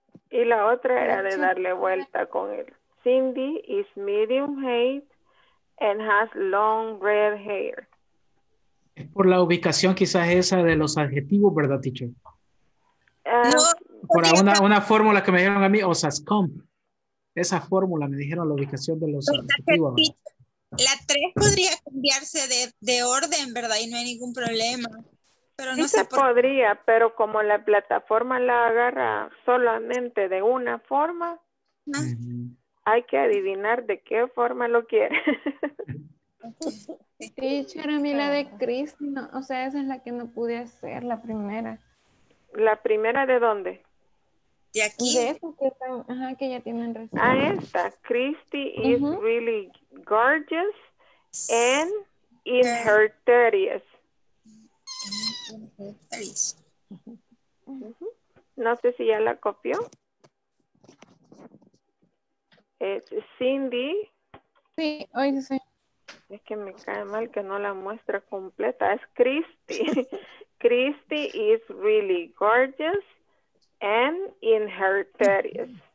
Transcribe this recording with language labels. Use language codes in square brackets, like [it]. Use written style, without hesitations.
[es] Y la otra era de darle vuelta con él. [en] Cindy is medium height and has long red hair. [es] Es por la ubicación quizás esa de los adjetivos, ¿verdad, teacher? No. Por una fórmula que me dieron a mí, o sea, SCOMP. Esa fórmula me dijeron la ubicación de los adjetivos. La 3 podría cambiarse de orden, ¿verdad? Y no hay ningún problema. Pero no sí se podría, pero como la plataforma la agarra solamente de una forma, hay que adivinar de qué forma lo quiere. Teacher, a mí la de Chris, no, o sea, esa es la que no pude hacer, la primera. ¿La primera de dónde? De aquí. De esa que están, ajá, que ya tienen razón. Ah, esta. [en] Christy is really gorgeous and in her 30s. [es] No sé si ya la copió. Es Cindy. Sí, hoy sí. Es que me cae mal que no la muestra completa. Es Christy. [en] Christy is really gorgeous and in her 30s.